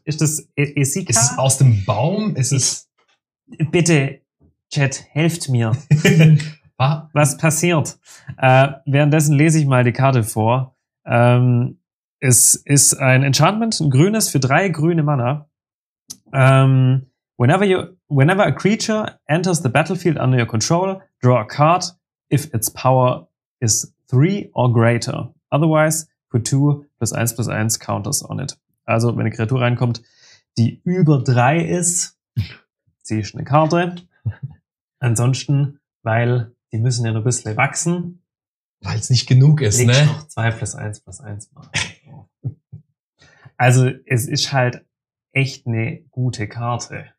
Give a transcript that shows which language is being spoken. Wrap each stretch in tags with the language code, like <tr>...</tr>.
<de>Ist das Ezeka? Ist es aus dem Baum? Bitte, Chat, helft mir. Was passiert? Währenddessen lese ich mal die Karte vor. Es ist ein Enchantment, ein grünes, für 3 grüne Mana.</de> <en>Whenever a creature enters the battlefield under your control, draw a card if its power is 3 or greater. Otherwise, put 2+1+1 counters on it.</en> <de>Also, wenn eine Kreatur reinkommt, die über 3 ist, ziehe ich eine Karte. Ansonsten, weil die müssen ja nur ein bisschen wachsen. Weil es nicht genug ist, ne? Noch 2+1+1 machen. Also, es ist halt echt eine gute Karte.</de>